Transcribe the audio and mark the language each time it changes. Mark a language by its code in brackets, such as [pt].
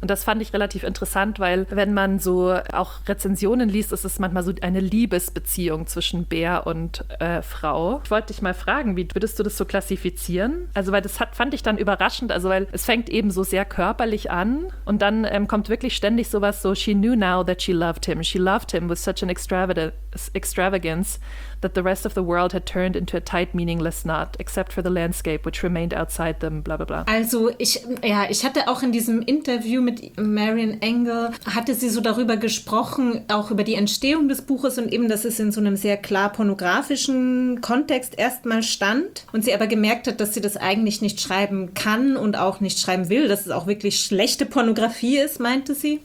[de] Und das fand ich relativ interessant, weil wenn man so auch Rezensionen liest, ist es manchmal so eine Liebesbeziehung zwischen Bär und Frau. Ich wollte dich mal fragen, wie würdest du das so klassifizieren? Also weil fand ich dann überraschend, also weil es fängt eben so sehr körperlich an und dann kommt wirklich ständig sowas so, [en] she knew now that she loved him. She loved him with such an extravagance that the rest of the world had turned into a tight, meaningless knot, except for the landscape, which remained outside them, bla bla bla. [de] Also ich hatte auch in diesem Interview mit Marion Engel, hatte sie so darüber gesprochen, auch über die Entstehung des Buches und eben, dass es in so einem sehr klar pornografischen Kontext erstmal stand und sie aber gemerkt hat, dass sie das eigentlich nicht schreiben kann und auch nicht schreiben will, dass es auch wirklich schlechte Pornografie ist, meinte sie.